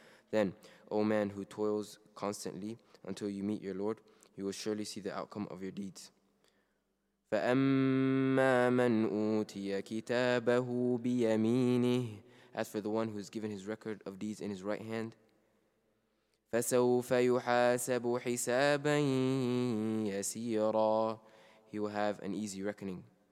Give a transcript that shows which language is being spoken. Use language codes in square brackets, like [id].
[en] Then, O man who toils constantly until you meet your Lord, you will surely see the outcome of your deeds. [ar] فأما من أوتي كتابه بيمينه, [en] as for the one who has given his record of deeds in his right hand, [ar] فسوف يحاسب حسابا يسيرا, [en] he will have an easy reckoning.